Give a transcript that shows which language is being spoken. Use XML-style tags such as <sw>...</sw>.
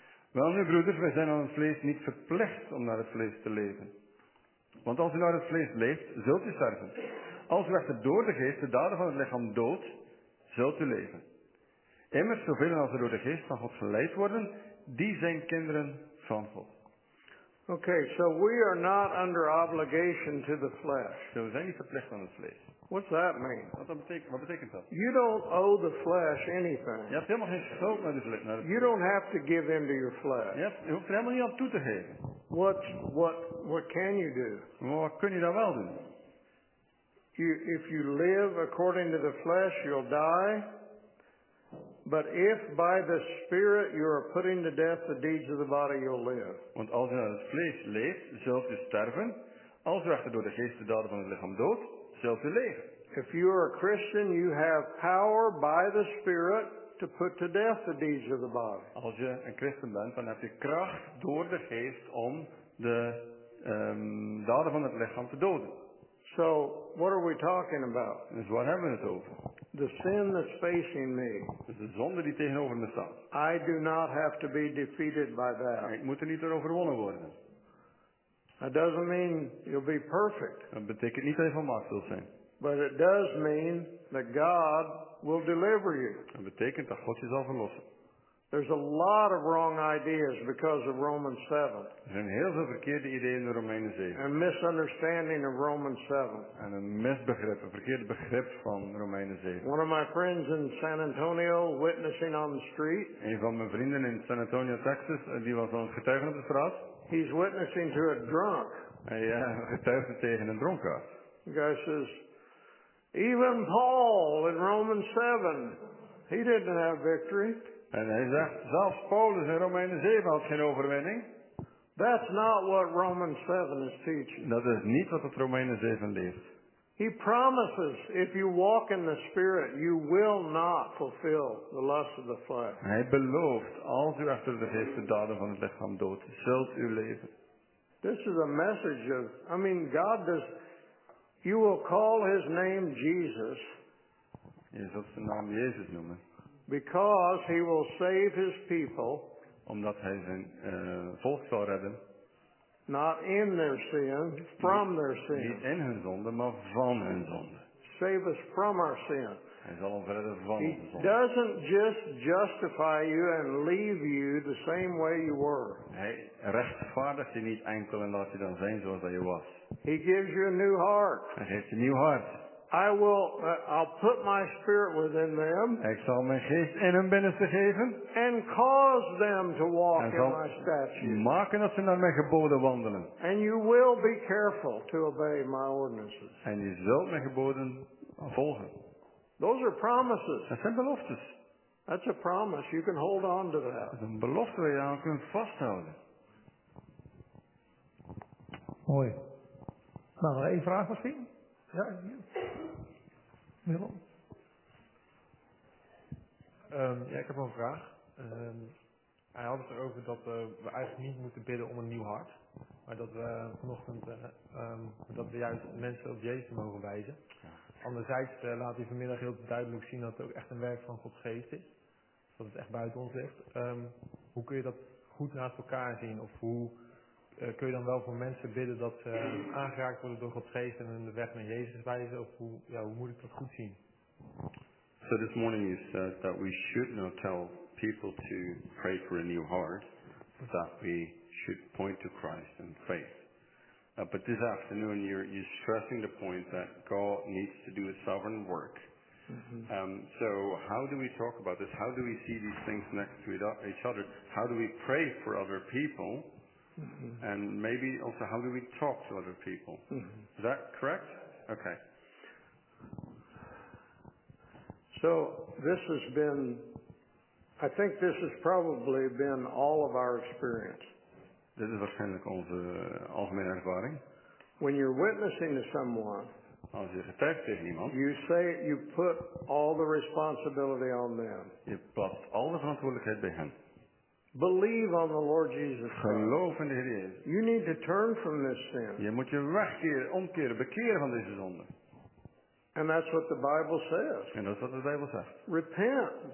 <nl>Wel, nu broeders, wij zijn aan het vlees niet verplicht om naar het vlees te leven. Want als u naar het vlees leeft, zult u sterven. Als u echter door de geest de daden van het lichaam doodt, zult u leven. Immers, zoveel als er door de geest van God geleid worden, die zijn kinderen van God.</nl> <en>Okay, so we are not under obligation to the flesh.</en> <nl>Dus we zijn niet verplicht aan het vlees.</nl> <en>What's that mean?</en> <nl>Wat betekent dat?</nl> <en>You don't owe the flesh anything.</en> <nl>Je hebt helemaal geen schuld naar de vlees.</nl> <en>You don't have to give in to your flesh.</en> <nl>Je hoeft er helemaal niet aan toe te geven.</nl> <en>What can you do?</en> <nl>Maar wat kun je dan wel doen?</nl> <en>If you live according to the flesh, you'll die. But if by the Spirit you are putting to death the deeds of the body, you'll live.</en> <nl>Want als je naar het vlees leeft, zult je sterven. Als je echter door de geest de daden van het lichaam doodt, zult je leven.</nl> <en>If you are a Christian, you have power by the Spirit to put to death the deeds of the body.</en> <nl>Als je een Christen bent, dan heb je kracht door de geest om de daden van het lichaam te doden.</nl> <en>So, what are we talking about?</en> <nl>Dus wat hebben we het over?</nl> <en>The sin that's facing me.</en> <nl>Dus de zonde die tegenover me staat.</nl> <en>I do not have to be defeated by that.</en> <nl>Ik moet er niet door overwonnen worden.</nl> <en>That doesn't mean you'll be perfect.</en> <nl>Dat betekent niet dat je volmaakt zult zijn.</nl> <en>But it does mean that God will deliver you.</en> <nl>Dat betekent dat God je zal verlossen.</nl> <en>There's a lot of wrong ideas because of Romans 7.</en> <nl>Er zijn heel veel verkeerde ideeën in Romeinen 7.</nl> <en>A misunderstanding of Romans 7.</en> <nl>En een misbegrip, een verkeerd begrip van Romeinen 7.</nl> <en>One of my friends in San Antonio witnessing on the street.</en> <nl>Een van mijn vrienden in San Antonio, Texas, die was aan het getuigen op de straat.</nl> <en>He's witnessing to a drunk.</en> <nl>Hij getuigde tegen een dronkaard.</nl> <en>The guy says, even Paul in Romans 7, he didn't have victory.</en> <nl>En hij zegt, zelfs Paulus in Romeinen 7 had geen overwinning.</nl> <en>That's not what Romans 7 is teaching.</en> <nl>Dat is niet wat het Romeinen 7 leert.</nl> <en>He promises, if you walk in the Spirit, you will not fulfill the lust of the flesh.</en> <nl>Hij belooft, als u achter de geest de daden van het lichaam doodt, zult u leven.</nl> <en>This is a message of, God does, you will call his name Jesus.</en> <nl>Je zult zijn naam Jezus noemen.</nl> <en>Because he will save his people.</en> <nl>Omdat hij zijn volk zal redden.</nl> <en>Not in their sin, from their sin.</en> <nl>Niet in hun zonde, maar van hun zonde.</nl> <en>Save us from our sin.</en> <nl>Hij zal ons redden van onze zonde.</nl> <en>He doesn't just justify you and leave you the same way you were.</en> <nl>Hij rechtvaardigt je niet enkel en laat je dan zijn zoals dat je was.</nl> <en>He gives you a new heart.</en> <nl>Hij geeft je een nieuw hart.</nl> <en>I'll put my spirit within them.</en> <nl>Ik zal mijn geest in hun binnenste geven.</nl> <en>And cause them to walk in my statutes.</en> <nl>En maken dat ze naar mijn geboden wandelen.</nl> <en>And you will be careful to obey my ordinances.</en> <nl>En je zult mijn geboden volgen.</nl> <en>Those are promises.</en> <nl>Dat zijn beloftes.</nl> <en>That's a promise. You can hold on to that.</en> <nl>Dat is een belofte waar je aan kunt vasthouden. Mooi. Nou, nog één vraag misschien? Ja, Willem. Ik heb een vraag. Hij had het erover dat we eigenlijk niet moeten bidden om een nieuw hart. Maar dat we vanochtend dat we juist mensen op Jezus mogen wijzen. Anderzijds laat hij vanmiddag heel duidelijk zien dat het ook echt een werk van Gods geest is. Dat het echt buiten ons ligt. Hoe kun je dat goed naast elkaar zien? Of hoe... kun je dan wel voor mensen bidden dat ze aangeraakt worden door Gods geest en hun de weg naar Jezus wijzen? Of hoe moet ik dat goed zien?</nl> <en>So this morning you said that we should not tell people to pray for a new heart, that we should point to Christ and faith. But this afternoon you're stressing the point that God needs to do a sovereign work. Mm-hmm. So how do we talk about this? How do we see these things next to each other? How do we pray for other people? Mm-hmm. And maybe also, how do we talk to other people? Mm-hmm. Is that correct? Okay. So this has been, I think this has probably been all of our experience.</en> <nl>Dit is waarschijnlijk onze algemene ervaring.</nl> <en>When you're witnessing to someone,</en> <nl>als je getuigt tegen iemand,</nl> <en>you say you put all the responsibility on them.</en> <nl>Je plaatst al de verantwoordelijkheid bij hen.</nl> <en>Believe on the Lord Jesus Christ.</en> <nl>Geloof in de Heer Jezus.</nl> <en>You need to turn from this sin.</en> <nl>Je moet je wegkeren, omkeren, bekeren van deze zonde.</nl> <en>And that's what the Bible says.</en> <nl>En dat is wat de Bijbel zegt.</nl> <en>Repent.</en>